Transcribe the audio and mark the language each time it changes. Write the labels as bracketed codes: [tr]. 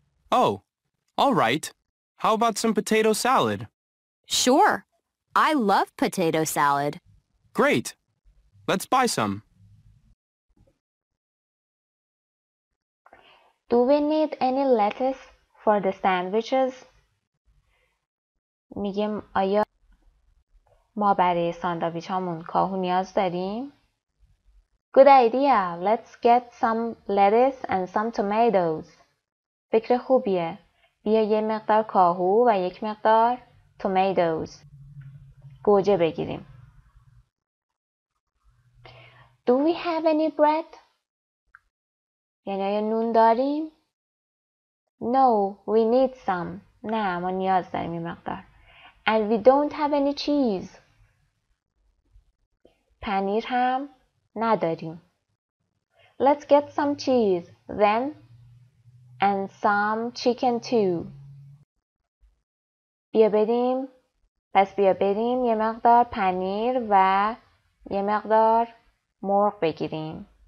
[en] Oh, all right. How about some potato salad? Sure. I love potato salad. Great. Let's buy some. Do we need any lettuce for the sandwiches? [fa] میگیم آیا ما برای ساندویچ هامون کاهو نیاز داریم؟ [en] Good idea. Let's get some lettuce and some tomatoes. [fa] فکر خوبیه. بیا یه مقدار کاهو و یک مقدار tomatoes. گوجه بگیریم. [en] Do we have any bread? [fa] یعنی آیا نون داریم؟ [en] No, we need some. [fa] نه، ما نیاز داریم این مقدار. [en] And we don't have any cheese. [fa] پنیر هم نداریم. [en] Let's get some cheese then and some chicken too. [fa] بیا بریم. پس بیا بریم یه مقدار پنیر و یه مقدار مرغ بگیریم.